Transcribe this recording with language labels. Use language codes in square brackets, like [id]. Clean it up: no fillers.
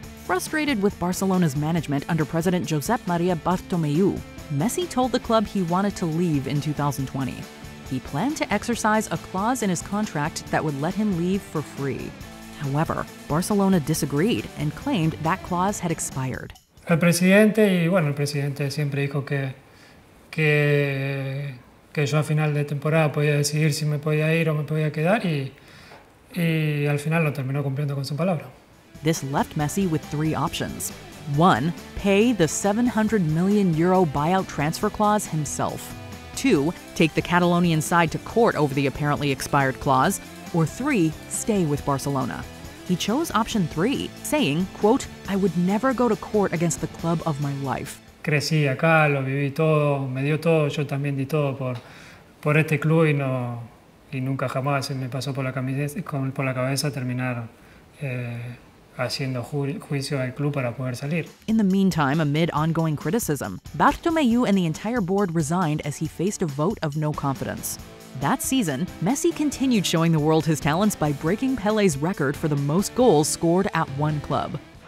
[en] Frustrated with Barcelona's management under President Josep Maria Bartomeu, Messi told the club he wanted to leave in 2020. He planned to exercise a clause in his contract that would let him leave for free. However, Barcelona disagreed and claimed that clause had expired. [es] El presidente y bueno, el presidente siempre dijo que yo a final de temporada podía decidir si me podía ir o me podía quedar y al final lo terminó cumpliendo con su palabra. [en] This left Messi with three options. One, pay the 700 million euro buyout transfer clause himself. Two, take the Catalonian side to court over the apparently expired clause. Or three, stay with Barcelona. He chose option three, saying, quote, I would never go to court against the club of my life. [es] Crecí acá, lo viví todo, me dio todo, yo también di todo por este club y no y nunca jamás se me pasó por la cabeza terminar. [en] In the meantime, amid ongoing criticism, Bartomeu and the entire board resigned as he faced a vote of no confidence. That season, Messi continued showing the world his talents by breaking Pelé's record for the most goals scored at one club.